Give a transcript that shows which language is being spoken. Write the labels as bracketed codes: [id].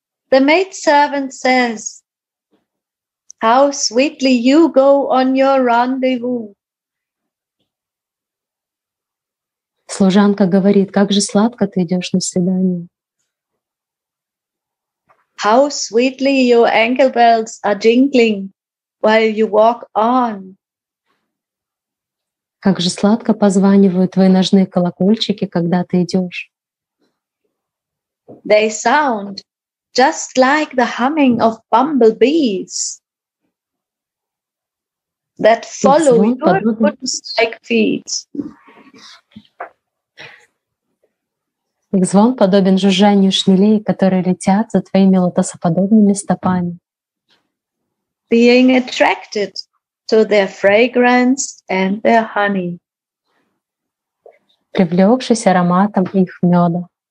[en] The maidservant says, how sweetly you go on your rendezvous. [ru] Служанка говорит, как же сладко ты идешь на свидание. [en] How sweetly your ankle bells are jingling while you walk on. [ru] Как же сладко позванивают твои ножные колокольчики, когда ты идешь. [en] They sound just like the humming of bumblebees. that follow your foot's like feet. [ru] Их звон подобен жужжанию шмелей, которые летят за твоими лотосоподобными стопами. [en] Being attracted to their fragrance and their honey. [ru] Привлекшись ароматом их меда.